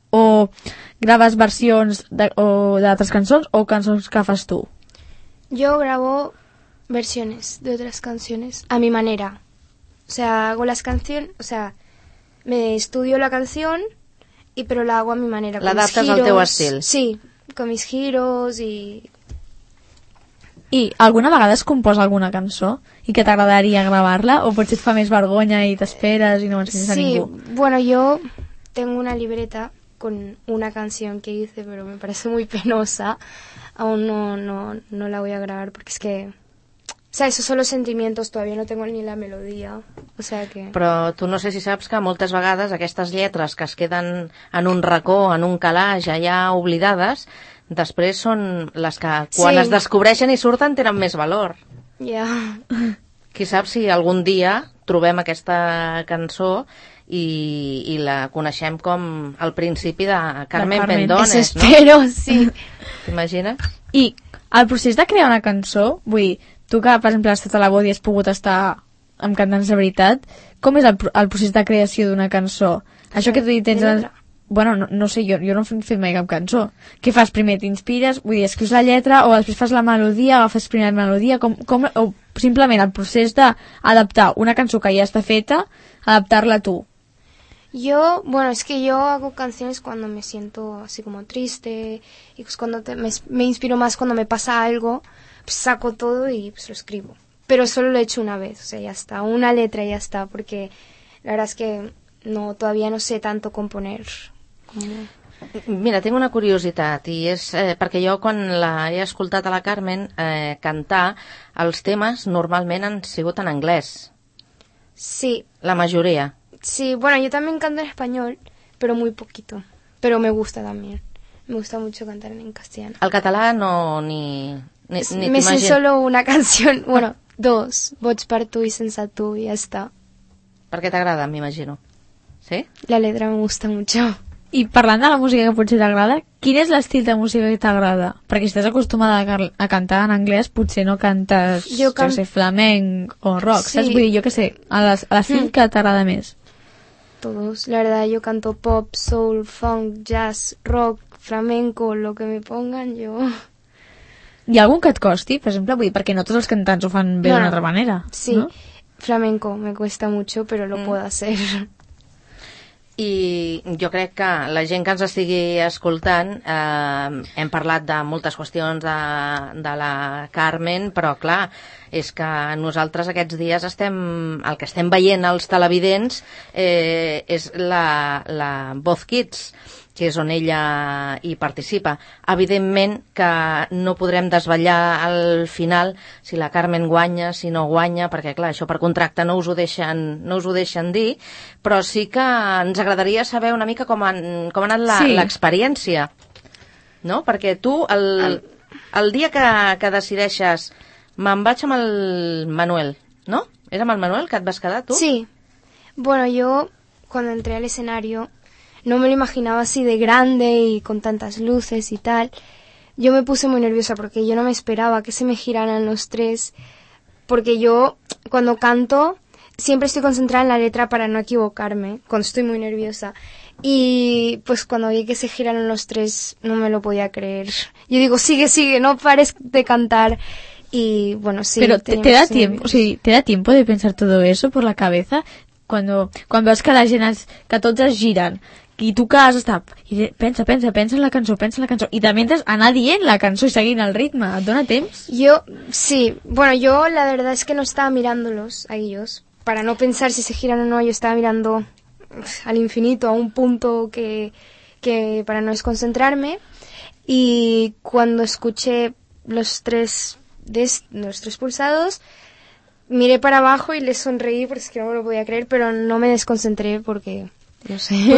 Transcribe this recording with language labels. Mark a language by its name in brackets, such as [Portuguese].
[Catalan] O graves versions d'altres cançons o cançons que fas tu? [Spanish] Yo grabo versiones de otras canciones a mi manera. O sea, hago las canciones, o sea, me estudio la canción, pero la hago a mi manera. [Catalan] L'adaptes al teu estil. [Spanish] Sí, con mis giros y... [Catalan] I alguna vegada es composa alguna cançó i que t'agradaria gravar-la o potser et fa més vergonya i t'esperes i no m'ensenyes [Spanish] sí, [Catalan] a ningú? [Spanish] Sí, bueno, yo tengo una libreta con una canción que hice, pero me parece muy penosa. Aún no la voy a grabar porque es que... O sea, esos son los sentimientos, todavía no tengo ni la melodía, o sea que... [Catalan] Però tu no sé si saps que moltes vegades aquestes lletres que es queden en un racó, en un calaix, ja oblidades, després són les que quan es descobreixen i surten tenen més valor. Ja. Yeah. Qui sap si algun dia trobem aquesta cançó i la coneixem com el principi de Carmen Pendones, no? [Spanish] Espero, sí. [Catalan] T'imagines? I el procés de crear una cançó, vull dir, tu que, per exemple, has estat a la Bodi i has pogut estar amb cantants de veritat, com és el procés de creació d'una cançó? Això que tu dius, tens... Bueno, no sé, jo no he fet mai cap cançó. Què fas? Primer t'inspires, vull dir, escrius la lletra o després fas la melodia, agafes primer la melodia, com, o simplement el procés d'adaptar una cançó que ja està feta, adaptar-la a tu. [Spanish] Yo, bueno, es que yo hago canciones cuando me siento así como triste y pues cuando me inspiro más cuando me pasa algo, pues saco todo y pues lo escribo. Pero solo lo he hecho una vez, o sea, ya está, una letra ya está, porque la verdad es que no, todavía no sé tanto componer. [Catalan] Mira, tinc una curiositat, i és perquè jo quan l'he escoltat a la Carmen cantar, els temes normalment han sigut en anglès. [Spanish] Sí. [Catalan] La majoria. [Spanish] Sí, bueno, yo también canto en español, pero muy poquito. Pero me gusta también. Me gusta mucho cantar en castellano. [Catalan] El català no, ni t'imagino. [Spanish] Me sé solo una canción, bueno, dos, Voig per tu i Sense tu, [Catalan] i ja està. Perquè t'agrada, m'imagino. [Spanish] Sí? La letra me gusta mucho. [Catalan] I parlant de la música que potser t'agrada, quin és l'estil de música que t'agrada? Perquè si estàs acostumada a cantar en anglès, potser no cantes, jo sé, flamenc o rock, [Spanish] sí. [Catalan] Saps? Vull dir, jo què sé, a l'estil que t'agrada més. [Spanish] Todos, la verdad, yo canto pop, soul, funk, jazz, rock, flamenco, lo que me pongan, yo... [Catalan] Hi ha algun que et costi, per exemple? Vull dir, perquè no tots els cantants ho fan bé d'una altra manera. [Spanish] Sí, [Catalan] no? [Spanish] Flamenco me cuesta mucho, pero lo puedo hacer. [Catalan] I jo crec que la gent que ens estigui escoltant, hem parlat de moltes qüestions de la Carmen, però clar, és que nosaltres aquests dies estem, el que estem veient als televidents és la Voz Kids, que és on ella hi participa. Evidentment que no podrem desvetllar al final si la Carmen guanya, si no guanya, perquè clar, això per contracte no us ho deixen dir, però sí que ens agradaria saber una mica com ha anat l'experiència. [Spanish] Sí. [Catalan] No? Perquè tu el dia que decideixes me'n vaig amb el Manuel, no? És amb el Manuel que et vas quedar, tu? [Spanish] Sí. Bueno, yo cuando entré al escenario no me lo imaginaba así de grande y con tantas luces y tal. Yo me puse muy nerviosa porque yo no me esperaba que se me giraran los tres. Porque yo, cuando canto, siempre estoy concentrada en la letra para no equivocarme, cuando estoy muy nerviosa. Y pues cuando vi que se giraron los tres, no me lo podía creer. Yo digo, sigue, sigue, no pares de cantar. Y bueno, sí. Pero te da tiempo, sí, ¿te da tiempo de pensar todo eso por la cabeza? [Catalan] Quan veus que la gent, que tots es giren, i tu que has estat, i pensa en la cançó, i també has d'anar dient la cançó i seguint el ritme, et dona temps? [Spanish] Jo, sí, bueno, yo la verdad es que no estaba mirándolos a ellos, para no pensar si se giran o no, yo estaba mirando al infinito, a un punto que para no desconcentrarme, y cuando escuché los tres pulsados, miré para abajo y le sonreí porque es que no me lo podía creer, pero no me desconcentré porque, no sé.